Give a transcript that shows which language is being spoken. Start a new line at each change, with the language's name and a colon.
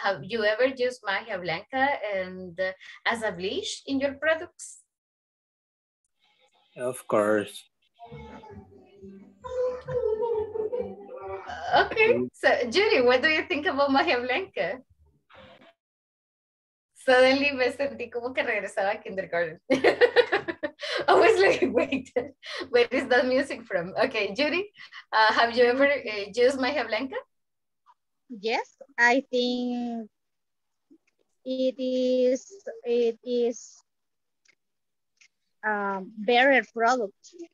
English: Have you ever used Magia Blanca and as a bleach in your products? Of course. Okay, so Judy, what do you think about Magia Blanca? Suddenly
Spanish: me sentí como que regresaba a kindergarten.
English: I was like, wait, where is that music from? Okay, Judy, have you ever used Magia Blanca? Yes, I think it is a better product.